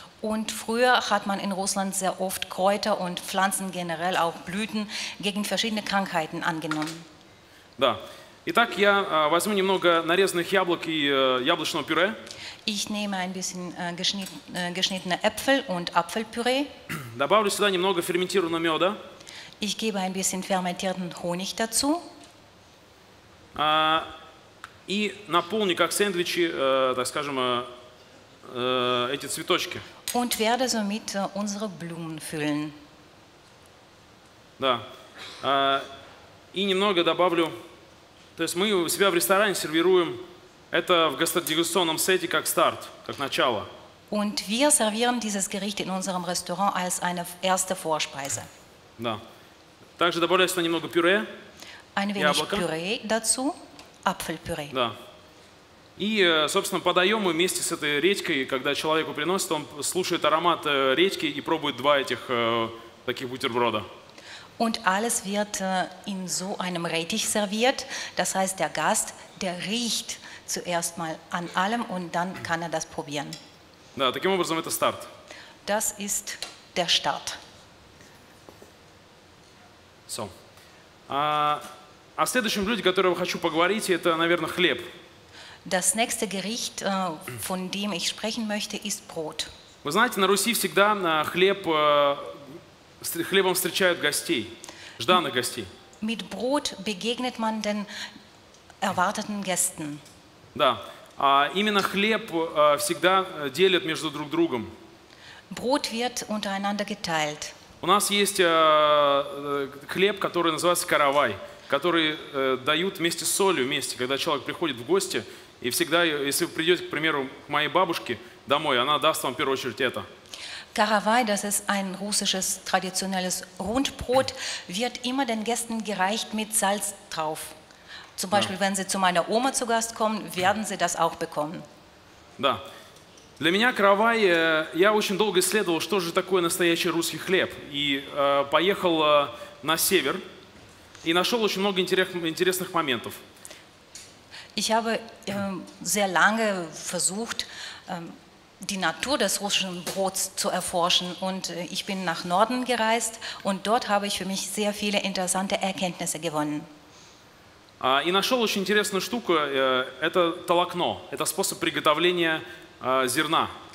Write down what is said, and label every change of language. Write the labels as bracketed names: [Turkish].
[German] Und früher hat man in Russland sehr oft Kräuter und Pflanzen generell auch Blüten gegen verschiedene Krankheiten angenommen. [Russian] Да. Итак, я возьму немного нарезанных яблок и яблочного пюре. [German] Ich nehme ein bisschen geschnittene Äpfel und Apfelpüree. [Russian] Добавлю сюда немного ферментированного меда. [German] Ich gebe ein bisschen fermentierten Honig dazu. [Russian] И наполню как сэндвичи, так скажем, эти цветочки. [German] Und werde somit unsere Blumen füllen. [Russian] Да. И немного добавлю. То есть мы у себя в ресторане сервируем это в гастродегустационном сете как старт, как начало. [German] Und wir servieren dieses Gericht in unserem Restaurant als eine erste Vorspeise. [Russian] Да. Также добавляю сюда немного пюре. [German] Ein wenig Пюре dazu. Apfelpüree. [Russian] Да. И, собственно, подаем мы вместе с этой редькой, когда человеку приносит, он слушает аромат редьки и пробует два этих таких бутерброда. [German] Und alles wird in so einem Rettich serviert. Das heißt, der Gast, der riecht zuerst mal an allem und dann kann er das probieren. [Russian] Да, таким образом это старт. [German] Das ist der Start. So. [Russian] О следующем блюде, о котором я хочу поговорить, это, наверное, хлеб. [German] Das nächste Gericht, von dem ich sprechen möchte, ist Brot. [Russian] Вы знаете, на Руси всегда хлебом встречают гостей, жданных гостей. [German] Mit Brot begegnet man den erwarteten Gästen. [Russian] Да. Именно хлеб всегда делят между друг другом. [German] Brot wird untereinander geteilt. [Russian] У нас есть хлеб, который называется каравай, который дают вместе с солью, вместе, когда человек приходит в гости. И всегда, если вы придете, к примеру, к моей бабушке домой, она даст вам в первую очередь это. [German] Каравай, das ist ein russisches traditionelles Rundbrot, wird immer den Gästen gereicht mit Salz drauf. Zum Beispiel, wenn sie zu meiner Oma zu Gast kommen, werden sie das auch bekommen. [Russian] Да. Для меня каравай, я очень долго исследовал, что же такое настоящий русский хлеб. И поехал на север и нашел очень много интересных моментов. [German] Ich habe sehr lange versucht, die Natur des russischen Brots zu erforschen und ich bin nach Norden gereist und dort habe ich für mich sehr viele interessante Erkenntnisse gewonnen. [Russian] И нашел очень интересную штуку, это толокно, это способ приготовления зерна.